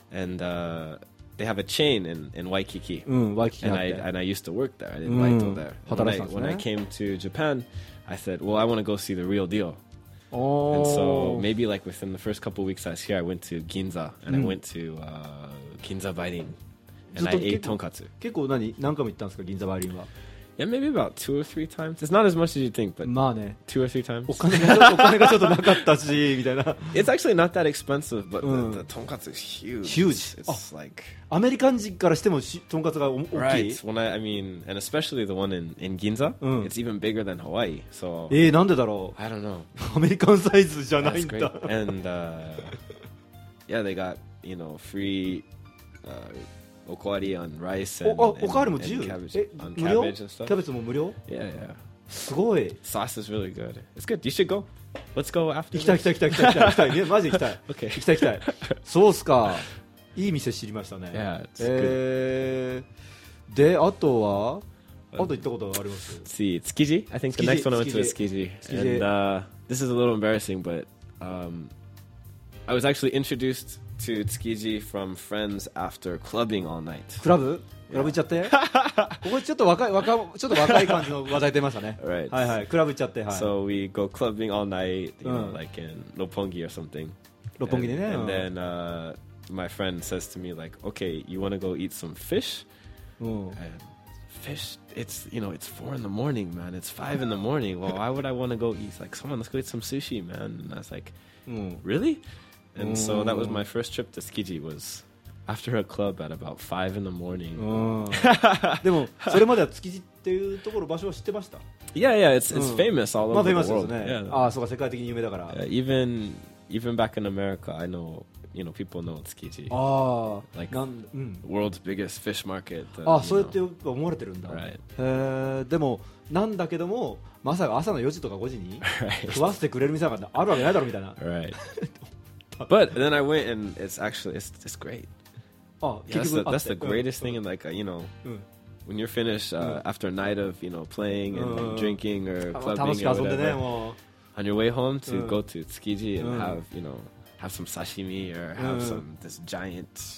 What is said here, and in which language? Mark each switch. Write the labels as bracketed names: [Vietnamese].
[English] And、they have a chain in Waikiki. Waikiki. And I used to work there. I didn't like it there. When I came to Japan, I said, well, I want to go see the real deal. Oh. And so maybe like within the first couple of weeks I was here, I went to Ginza. And I went to Ginza Bairin. And I ate tonkatsu. [Japanese] 結構何回も行ったんですか銀座バイリンは。 [English] Yeah, maybe about two or three times. It's not as much as you think, but [Japanese] まあ、ね、 [English] two or three times. [Japanese] お金がちょっとなかったしみたいな。 [English] It's actually not that expensive, but the tonkatsu is huge. Huge. It's like [Japanese] アメリカン人からしてもとんかつが大きい。 [English] Right. When I mean, and especially the one in Ginza,、うん、it's even bigger than Hawaii. So [Japanese] なんでだろう。 [English] I don't know. [Japanese] アメリカンサイズじゃないんだ。 [English] And yeah, they got you know free. [Japanese] おかわり [English] on rice and cabbage. [Japanese] キャベツも無料? [English] Yeah, yeah. [Japanese] すごい。 [English] Sauce is really good. It's good. You should go. Let's go after this. [Japanese] 行きたい。マジ行きたい。 [English] Okay. [Japanese] 行きたい。そうっすか。いい店知りましたね。 [English] Yeah, it's good. [Japanese] で、あとは? あと行ったことがあります。 [English] Let's see. 築地? I think the next one I went to is 築地. 築地。 And this is a little embarrassing, but I was actually introduced... to Tsukiji from friends after clubbing all night. Club? [Japanese] Club 行っちゃって?ここちょっと若い感じの話題出ましたね。 [English] Right. [Japanese] はいはい。 Club 行っちゃって。 [English] So we go clubbing all night, you know, like in Roppongi or something. [Japanese] Roppongi でね。 [English] And then my friend says to me like, okay, you want to go eat some fish? And fish? It's, you know, it's 4 in the morning, man. It's 5 in the morning. Well, why would I want to go eat? Like, come on, let's go eat some sushi, man. And I was like, really? And so that was my first trip to Tsukiji was after a club at about 5 in the morning. [Japanese] でもそれまでは築地っていうところ場所は知ってました? [English] Yeah, yeah, it's famous all over the world. [Japanese] まあ、famous ですね。 [English] Yeah. [Japanese] ああ、そうか、世界的に有名だから。 [English] Yeah, even back in America, I know, you know, people know Tsukiji. ああ、 like world's biggest fish market. [Japanese] ああ、そうやって思われてるんだ。 [English] Right. [Japanese] でもなんだけども、まさか朝の4時とか5時に食わせてくれる店があるわけないだろうみたいな。 [English] Right. But then I went and it's great. Oh, yeah, that's the greatest thing in like a, you know, when you're finished after a night of you know playing and drinking or clubbing or whatever, on your way home to go to Tsukiji and have you know have some sashimi or have some this giant